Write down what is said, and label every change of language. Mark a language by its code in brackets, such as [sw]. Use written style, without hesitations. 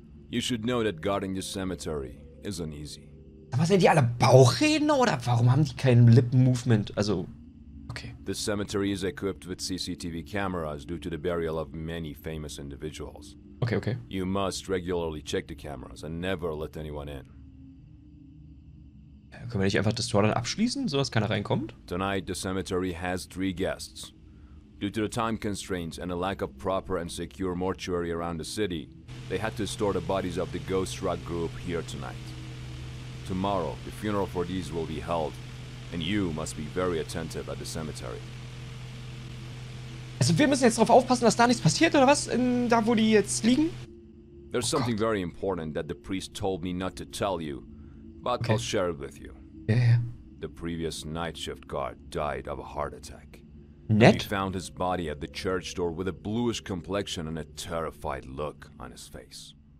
[en] You should know that guarding the cemetery is uneasy. [de] Aber sind die alle Bauchredner oder warum haben die keinen Lippenmovement? Also, okay. [en] The cemetery is equipped with CCTV cameras due to the burial of many famous individuals. Okay, okay. You must regularly check the cameras and never let anyone in. [de] Können wir nicht einfach das Tor dann abschließen, sodass keiner reinkommt? [en] Tonight the cemetery has 3 guests. Due to the time constraints and a lack of proper and secure mortuary around the city, they had to store the bodies of the Ghost Rock group here tonight. Tomorrow, the funeral for these will be held, and you must be very attentive at the cemetery. [de] Also wir müssen jetzt darauf aufpassen, dass da nichts passiert, oder was? In, da, wo die jetzt liegen? [en] There's something very important that the priest told me not to tell you, but okay. I'll share it with you. Yeah, yeah. The previous night shift guard died of a heart attack. Net? We found his body at the church door with a bluish complexion and a terrified look on his face.